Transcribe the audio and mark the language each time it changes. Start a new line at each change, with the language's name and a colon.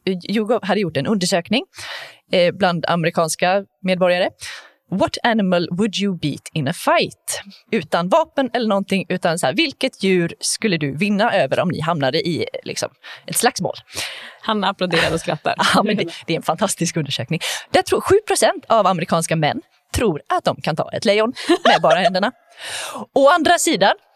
Swedish: YouGov hade gjort en undersökning bland amerikanska medborgare.
English: What animal would you beat in a fight?
Swedish: Utan vapen eller någonting, utan så här, vilket djur skulle du vinna över om ni hamnade i liksom, ett slagsmål? Han applåderade och skrattar. Ja, men det är en fantastisk undersökning. Det tror 7% av amerikanska män tror att de kan ta ett lejon med bara händerna. Å andra sidan